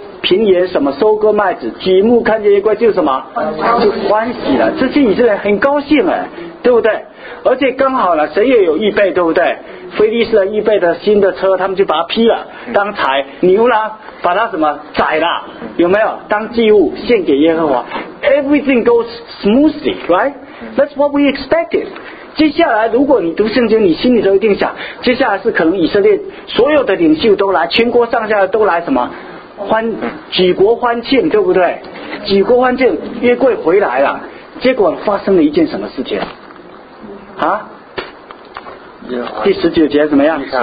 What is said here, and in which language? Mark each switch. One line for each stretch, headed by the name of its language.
Chinese: 平野什么收割麦子，举目看见约柜就什么，就欢喜了，这些以色列很高兴哎，对不对？而且刚好了，谁也有预备，对不对？非利士人预备的新的车，他们就把它劈了当柴，牛郎把它什么宰了，有没有？当祭物献给耶和华。
English: Everything goes smoothly, right? That's what we expected.
Chinese: 接下来如果你读圣经，你心里都一定想，接下来是可能以色列所有的领袖都来，全国上下都来什么欢，举国欢庆，对不对？举国欢庆，约柜回来了，结果发生了一件什么事情啊？第十九节怎么样？